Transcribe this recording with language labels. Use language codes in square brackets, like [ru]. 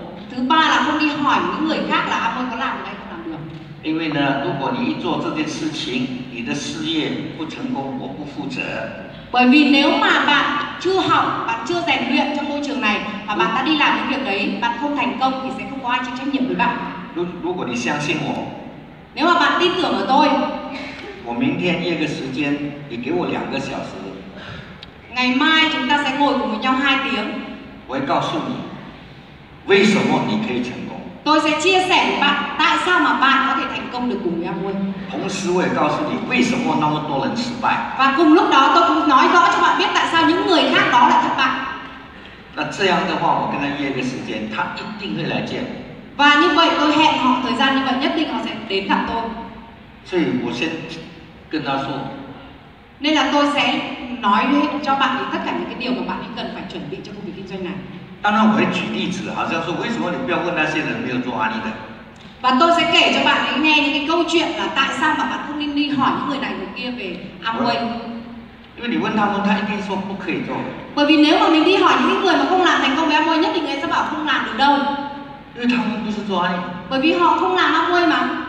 [vi] Thứ ba là không đi hỏi những người khác là Amway có làm được hay không. [zh] 因为呢, 如果你一做这件事情, 你的事业不成功, 我不负责。 [vi] Bởi vì nếu mà bạn chưa học, bạn chưa rèn luyện trong môi trường này và bạn đã đi làm những việc đấy, bạn không thành công thì sẽ không có ai chịu trách nhiệm với bạn. [zh] 如果你相信我, [vi] nếu mà bạn tin tưởng ở tôi, ngày mai tôi sẽ cho bạn 2 tiếng, bạn Ngày mai chúng ta sẽ ngồi cùng với nhau 2 tiếng. [zh] 我会告诉你, 为什么你可以成功? [vi] Tôi sẽ chia sẻ với bạn tại sao mà bạn có thể thành công được cùng với Amway. [zh] 同时我也告诉你, 为什么那么多人失败? [vi] Và cùng lúc đó tôi cũng nói rõ cho bạn biết tại sao những người khác đó lại thất bại. [zh] 那这样的话, 我跟他约个时间, 他一定会来见. [vi] Và như vậy tôi hẹn họ thời gian như vậy nhất định họ sẽ đến gặp tôi. [zh] 所以我先跟他说, [vi] nên là tôi sẽ nói cho bạn thì tất cả những cái điều mà bạn cần phải chuẩn bị cho công việc kinh doanh này. [zh] 当然我会举例子，好像说为什么你不要问那些人没有做安利的。 [vi] Và tôi sẽ kể cho bạn ấy nghe những cái câu chuyện là tại sao mà bạn không nên đi hỏi những người này người kia về Amway. [zh] 因为你问他们，他一定说不可以做。 [vi] Bởi vì nếu mà mình đi hỏi những người mà không làm thành công với Amway, nhất định người ta sẽ bảo không làm được đâu. [zh] 因为他们不是做安利。 [vi] Bởi vì họ không làm Amway mà.